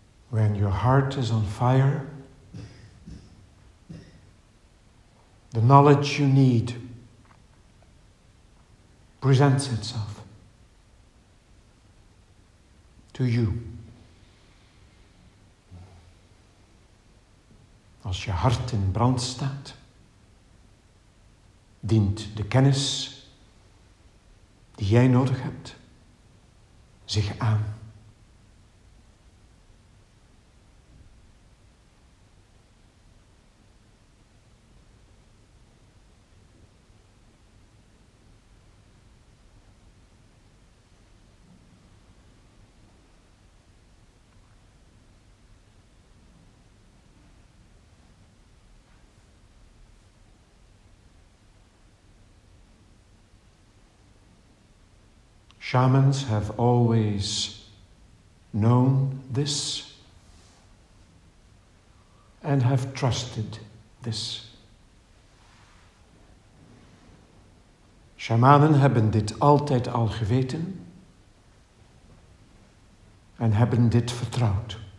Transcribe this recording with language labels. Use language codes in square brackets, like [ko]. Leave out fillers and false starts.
[en] When your heart is on fire, the knowledge you need presents itself to you. [nl] Als je hart in brand staat, dient de kennis die jij nodig hebt zich aan. [en] Shamans have always known this and have trusted this. [nl] Shamanen hebben dit altijd al geweten en hebben dit vertrouwd.